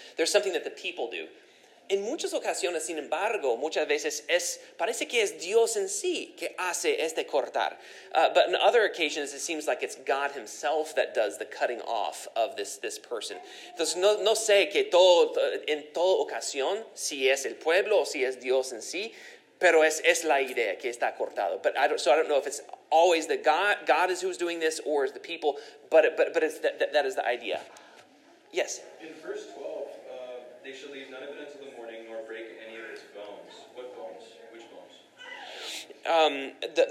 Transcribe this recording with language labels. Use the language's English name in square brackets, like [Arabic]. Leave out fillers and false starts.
[English] There's something that the people do. [Spanish] En muchas ocasiones, sin embargo, muchas veces es parece que es Dios en sí que hace este cortar. [English] But in other occasions, it seems like it's God himself that does the cutting off of this person. [Spanish] Entonces, no sé que todo, en toda ocasión, si es el pueblo o si es Dios en sí, pero es la idea que está cortado. [English] But I don't know if it's always the God is who's doing this or is the people, but it's that is the idea. Yes? In verse 12, they shall leave none of it until the morning, nor break any of its bones. What bones? Which bones?